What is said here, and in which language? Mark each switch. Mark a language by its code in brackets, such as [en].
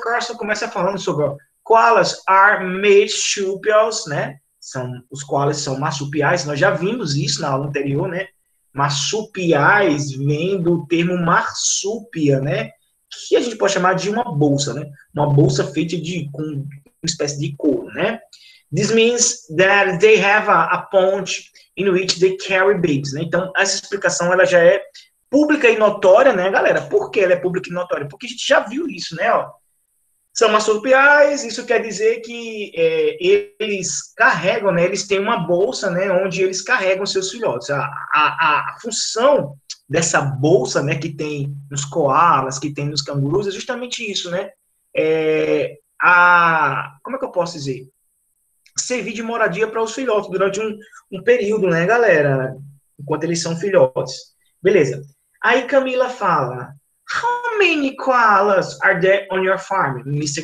[pt] Carson começa falando sobre, ó, [en] koalas are marsupials, [pt] né? Os koalas são marsupiais, nós já vimos isso na aula anterior, né? Marsupiais vem do termo marsúpia, né? Que a gente pode chamar de uma bolsa, né? Uma bolsa feita de com uma espécie de couro, né? [en] This means that they have a pond in which they carry babies, né? [pt] Então, essa explicação, ela já é pública e notória, né, galera? Por que ela é pública e notória? Porque a gente já viu isso, né, ó. São marsupiais, isso quer dizer que eles carregam, né, eles têm uma bolsa, né, onde eles carregam seus filhotes. A função dessa bolsa, né, que tem nos coalas, que tem nos cangurus, é justamente isso, né? Como é que eu posso dizer? Servir de moradia para os filhotes durante um período, né, galera? Enquanto eles são filhotes. Beleza. Aí Camila fala: [en] How many koalas are there on your farm, Mr.